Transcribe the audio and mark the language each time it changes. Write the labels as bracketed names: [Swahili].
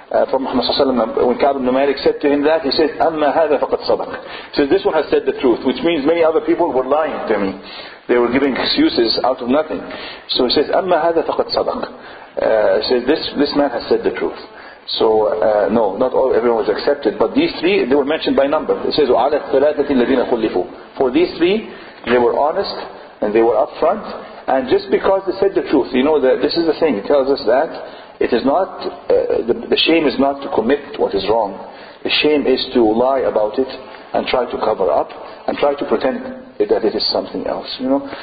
[English] From Muhammad sallallahu alaihi wasallam, when Ka'b ibn Malik said to him that, he said, [Arabic] "Amma hadha faqad sabaq." [English] He said, this one has said the truth, which means many other people were lying to me. They were giving excuses out of nothing. So he says, [Arabic] "Amma hadha faqad sabaq." [English] He says, this man has said the truth. So no, not all, everyone was accepted, but these three, they were mentioned by number. It says, [Arabic] وَعَلَى الثَّلَاثَةِ الَّذِينَ خُلِّفُوا. [English] For these three, they were honest and they were upfront, and just because they said the truth, you know, this is the thing. It tells us that it is not the shame is not to commit what is wrong. The shame is to lie about it and try to cover up and try to pretend that it is something else, you know.